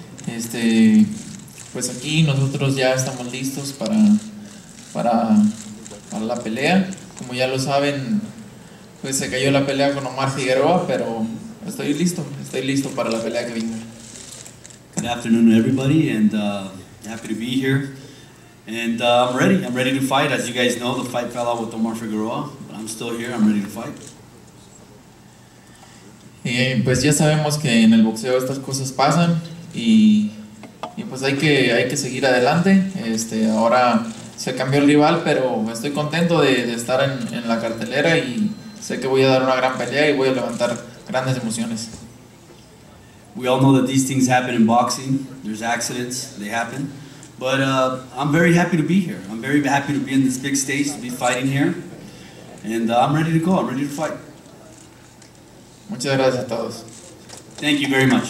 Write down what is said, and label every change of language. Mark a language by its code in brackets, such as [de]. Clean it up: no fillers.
[es] Este, pues aquí nosotros ya estamos listos para la pelea. Como ya lo saben, pues se cayó la pelea con Omar Figueroa, pero estoy listo para la pelea que viene. [en] Good afternoon everybody, and happy to be here. And I'm ready to fight. As you guys know, the fight fell out with Omar Figueroa, but I'm still here, I'm ready to fight. [es] Y pues ya sabemos que en el boxeo estas cosas pasan, y pues hay que seguir adelante. Este, ahora se cambió el rival, pero estoy contento de estar en la cartelera, y sé que voy a dar una gran pelea y voy a levantar grandes emociones. [en] We all know that these things happen in boxing. There's accidents, they happen. But I'm very happy to be here. I'm very happy to be in this big stage, to be fighting here. And I'm ready to go, I'm ready to fight. [es] Muchas gracias a todos. [en] Thank you very much.